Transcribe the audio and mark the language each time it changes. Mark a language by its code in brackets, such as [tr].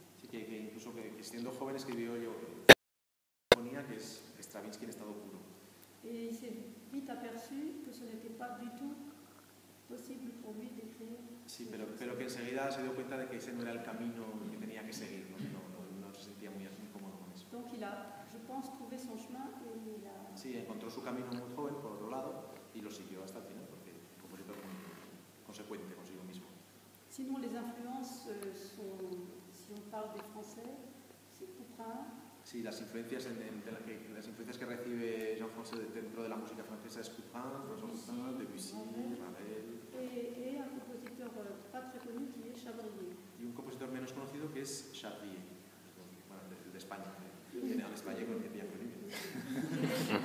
[es] Que incluso que siendo joven escribió yo ponía que es Stravinsky en estado puro. [fr] Y se vite aperçu que ce n'était pas du tout possible pour lui d'écrire. [es] Sí, pero que enseguida se dio cuenta de que ese no era el camino que tenía que seguir, no se sentía muy cómodo con eso. [fr] Donc il a, je pense, trouvé son chemin et il a... [es] Sí, encontró su camino muy joven por otro lado y lo siguió hasta el final porque compositor consecuente consigo mismo. [fr] Sinon les influences sont si on parle des Français, c'est Couperin. [es] Sí, las influencias las influencias que recibe Jean-François dentro de la música francesa es Couperin, François Debussy, Ravel. [fr] Et un compositeur pas très connu qui est Chabrier. [es] Y un compositor menos conocido que es Chabrier, de España. Viene a España con el piano libre.